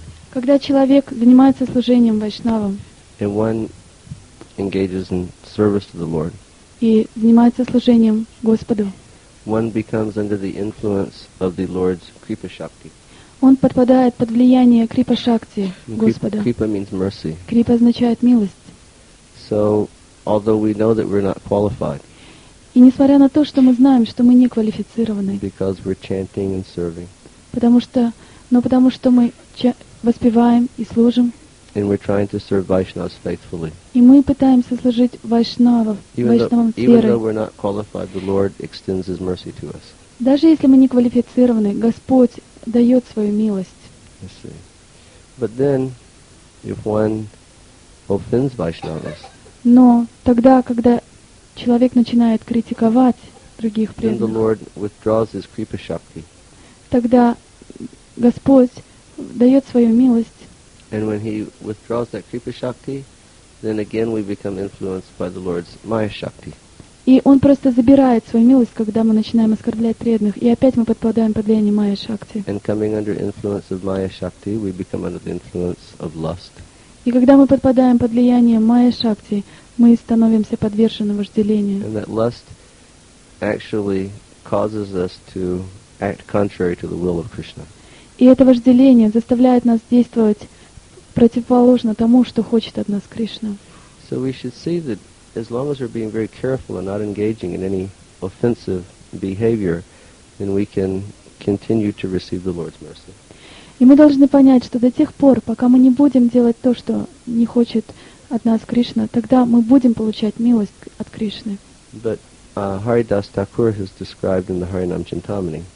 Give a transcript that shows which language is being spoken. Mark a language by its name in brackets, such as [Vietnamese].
[Russian] когда человек занимается служением Вайшнавам, [English] and one engages in service to the Lord, [Russian] и занимается служением Господу, [English] one becomes under the influence of the Lord's Kripa Shakti. [Russian] Он подпадает под влияние Крипа Шакти Господа. [English] Kripa means mercy. [Russian] Крипа означает милость. [English] So, although we know that we're not qualified, [Russian] и несмотря на то, что мы знаем, что мы не квалифицированы, [English] because we're chanting and serving, [Russian] потому что мы воспеваем и служим, [English] and we're trying to serve Vaishnavas faithfully, [Russian] и мы пытаемся служить Вайшнавам, Вайшнавам с верой. [English] Even though we're not qualified, the Lord extends His mercy to us. [Russian] Даже если мы не квалифицированы, Господь дает свою милость. [English] I see. But then, if one offends Vaishnavas, [Russian] но тогда, когда человек начинает критиковать других преданных, [English] then the Lord withdraws his kripa shakti. [Russian] Тогда Господь дает свою милость. [English] And when he withdraws that kripa shakti, then again we become influenced by the Lord's maya shakti. [Russian] И он просто забирает свою милость, когда мы начинаем оскорблять преданных, и опять мы подпадаем под влияние майя шакти. [English] And coming under influence of maya shakti, we become under the influence of lust. [Russian] И когда мы подпадаем под влияние майя шакти, мы становимся подвержены вожделению. [English] And that lust actually causes us to act contrary to the will of Krishna. [Russian] И это вожделение заставляет нас действовать противоположно тому, что хочет от нас Кришна. [English] So we should see that as long as we're being very careful and not engaging in any offensive behavior, then we can continue to receive the Lord's mercy. [Russian] И мы должны понять, что до тех пор, пока мы не будем делать то, что не хочет от нас Кришна, тогда мы будем получать милость от Кришны. [English] But Haridas Thakur has described in the Harinam Chintamani.